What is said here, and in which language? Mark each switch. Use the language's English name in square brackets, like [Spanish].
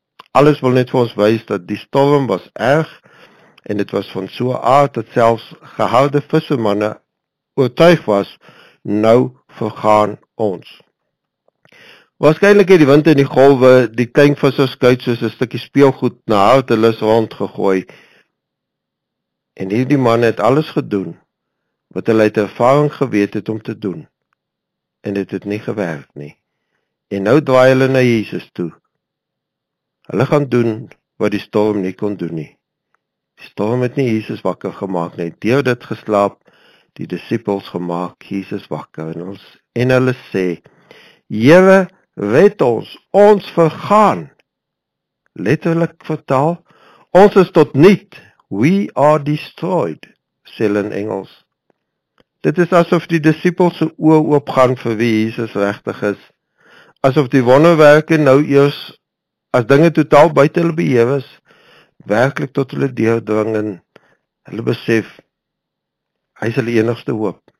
[Afrikaans] Alles wil net vir ons wys dat die storm was erg en dit was van so 'n aard dat selfs gehoude vissermanne oortuig was, nou vergaan ons. Waarskynlik het die wind en die golwe die kleinvisserskuit soos 'n stukkie speelgoed na hartelus rond gegooi. En hierdie manne het alles gedoen wat hulle uit ervaring geweet het om te doen. En dit het nie gewerk nie. En nou draai hulle na Jesus toe. Hulle gaan doen wat die storm nie kon doen nie. Die storm het nie Jesus wakker gemaak nie. Deur dit geslaap, die disippels gemaak Jesus wakker en ons en hulle sê: "Here, red ons vergaan." Letterlik vertaal, ons is tot niet. [English] We are destroyed, [Afrikaans] sê hulle in Engels. Dit is asof die disippels se oë oopgaan vir wie Jesus regtig is. Asof die wonderwerke nou eers as dinge totaal buite hulle beheer is, werklik tot hulle deurdring en hulle besef hy is hulle enigste hoop.